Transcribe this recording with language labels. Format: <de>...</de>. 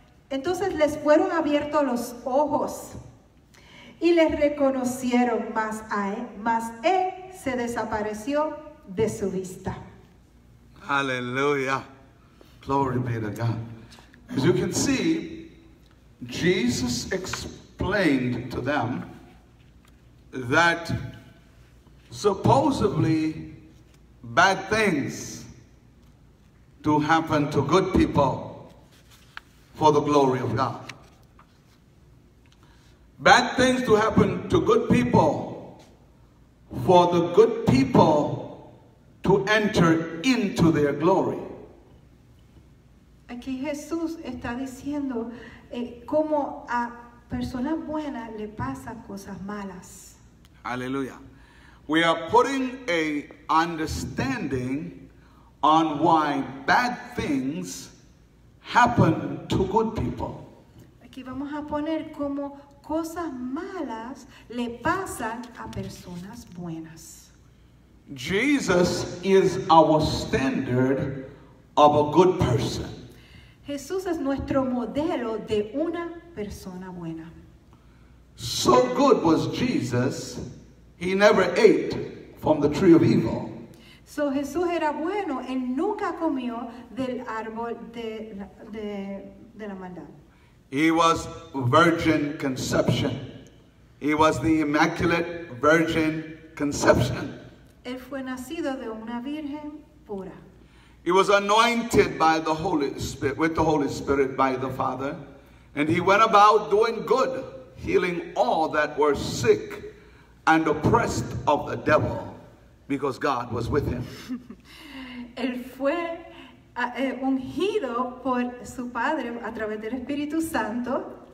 <es>Entonces les fueron abiertos los ojos y les reconocieron, mas él se desapareció de su vista.</es> <en>Aleluya. Glory be to God. As you can see, Jesus explained to them that supposedly bad things do happen to good people for the glory of God. Bad things do happen to good people for the good people to enter into their glory.</en> <es>Aquí Jesús está diciendo cómo a personas buenas le pasan cosas malas.</es> <en>Aleluya. We are putting a understanding on why bad things happen to good people.</en> <es>Aquí vamos a poner cómo cosas malas le pasan a personas buenas.</es> <en>Jesus is our standard of a good person.</en> <es>Jesús es nuestro modelo de una persona buena.</es> <en>So good was Jesus, he never ate from the tree of evil.</en> <es>So Jesús era bueno, él nunca comió del árbol de la maldad.</es> <en>He was virgin conception. He was the immaculate virgin conception.</en> <es>Él fue nacido de una virgen pura.</es> <en>He was anointed by the Holy Spirit, with the Holy Spirit by the Father. And he went about doing good, healing all that were sick and oppressed of the devil, because God was with him.</en> <es>Él fue ungido por su Padre a través del Espíritu Santo.</es>